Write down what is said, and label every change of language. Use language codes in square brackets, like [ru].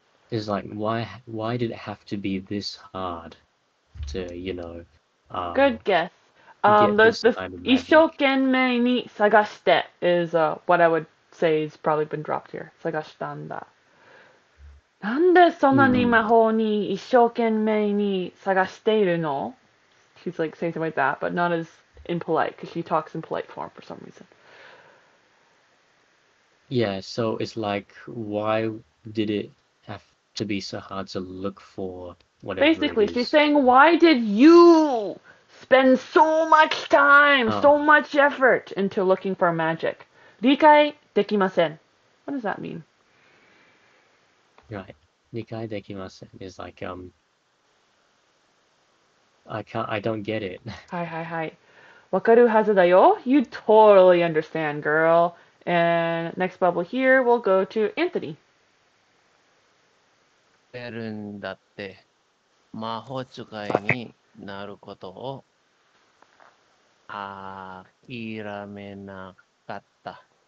[en] Is like why did it have to be this hard to, you know, good guess. The Ishokenmei ni sagashite is what I would say has probably been dropped here. Sagashitanda. [ja] なんでそんなに魔法に一生懸命に探しているの？ [en] She's like saying something like that, but not as impolite, because she talks in polite form for some reason. Yeah, so it's like, why did it have to be so hard to look for whatever Basically, it is? She's saying, why did you spend so much time, so much effort into looking for magic? [ja] 理解できません。 [en] What does that mean? Right. [ja] 理解できません [en] is like, I don't get it. [ja] はいはいはい。わかるはずだよ。 [en] You totally understand, girl. And next bubble here, we'll go to Anthony. [ja] やるんだって、魔法使いになることを諦めなかった。